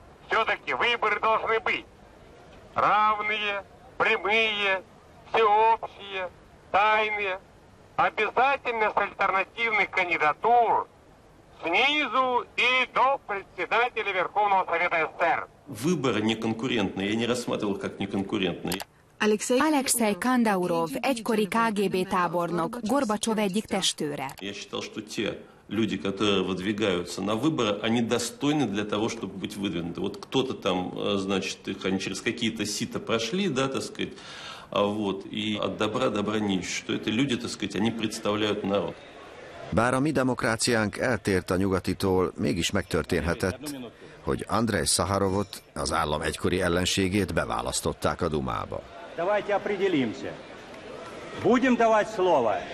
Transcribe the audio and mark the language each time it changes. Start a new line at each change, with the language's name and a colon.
Russian: Все-таки выборы должны быть равные, прямые, всеобщие, тайные. Обязательно с альтернативных кандидатур снизу и до председателя Верховного Совета СССР. Выборы неконкурентные, я не рассматривал их как неконкурентные.
Hungarian: Alekszej Kandaurov, egykori KGB tábornok, Gorbacsov egyik testőre.
Russian: Я считал, что те люди, которые выдвигаются на выборы, они достойны для того, чтобы быть выдвинуты. Вот кто-то там, значит, их они через какие-то сито прошли, да, так сказать, а вот, и от добра добра не ищут, что это люди, так сказать, они представляют народ.
Hungarian: Bár a mi demokráciánk eltért a nyugatitól, mégis megtörténhetett, hogy Andrej Szaharovot, az állam egykori ellenségét beválasztották a Dumába.
Russian: Давайте определимся. Будем давать слово.